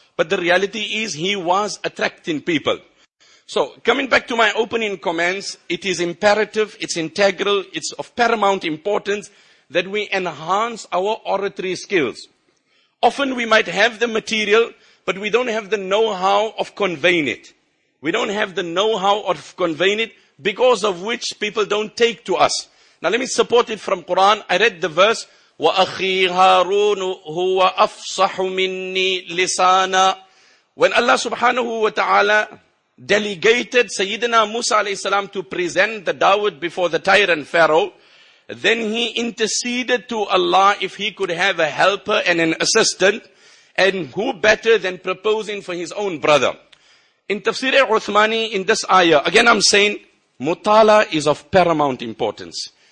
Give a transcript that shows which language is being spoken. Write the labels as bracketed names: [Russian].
[English] But the reality is, he was attracting people. So coming back to my opening comments, it is imperative, it's integral, it's of paramount importance that we enhance our oratory skills. Often we might have the material, but we don't have the know-how of conveying it. We don't have the know-how of conveying it, because of which people don't take to us. Now let me support it from Quran. I read the verse, [Arabic] وَأَخِي هَارُونُ هُوَ أَفْصَحُ مِنِّي لِسَانًا. [English] When Allah subhanahu wa ta'ala delegated Sayyidina Musa alayhi salam to present the Dawud before the tyrant Pharaoh, then he interceded to Allah if he could have a helper and an assistant. And who better than proposing for his own brother? In Tafsir Uthmani, in this ayah, again I'm saying, mutala is of paramount importance.